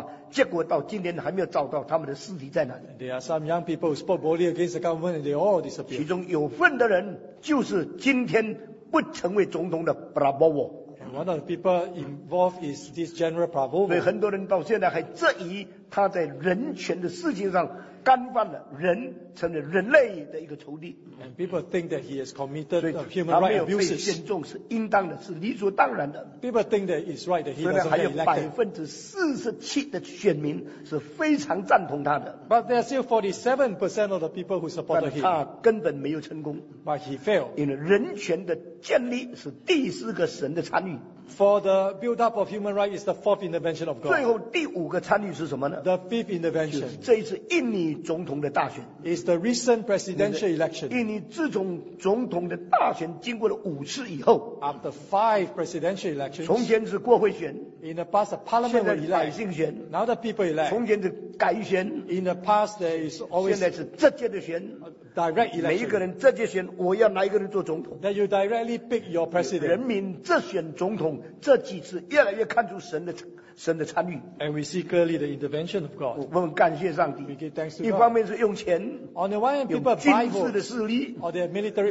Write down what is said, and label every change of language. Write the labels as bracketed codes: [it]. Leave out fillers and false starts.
[zh] 几十个青年人太敢讲话，结果到今年还没有找到他们的尸体在哪里。 [en] There are some young people who spoke boldly against the government and they all disappeared. [zh] 其中有份的人就是今天不成为总统的 Prabowo。 [en] One of the people involved is this General Prabowo. [zh] 所以很多人到现在还质疑他在人权的事情上 干犯了人，成了人类的一个仇敌。 [en] And people think that he has committed human rights abuses. [zh] 他没有被选中是应当的，是理所当然的。 [en] People think that it's right that he doesn't get elected. [zh] 虽然还有47%的选民是非常赞同他的。 [en] But there are still 47% of the people who supported him. [zh] 但他根本没有成功。 [en] But he failed. [zh] 因为人权的建立是第四个神的参与。 [en] For the build-up of human rights is the fourth intervention of God. [zh] 最后第五个参与是什么呢？ [en] The fifth intervention. [zh] 就是这一次印尼总统的大选。 [en] Is the recent presidential election. [zh] 印尼自从总统的大选经过了5次以后， [en] After 5 presidential elections. [zh] 从前是国会选。 [en] In the past, the parliament elect. [zh] 现在是百姓选。 [en] Now the people elect. [zh] 从前是改选。 [en] In the past, there is always. [zh] 现在是直接的选。 [en] Direct election. [zh] 每一个人直接选， 我要哪一个人做总统。 [en] That you directly pick your president. [zh] 人民直选总统。这几次越来越看出神的参与。 [en] And we see clearly the intervention of God. [zh] 我们感谢上帝。 [en] We give thanks to God. [zh] 一方面是用钱。 [en] On the one hand, people buy votes. [zh] 用军事的势力。 [en] Or their military power.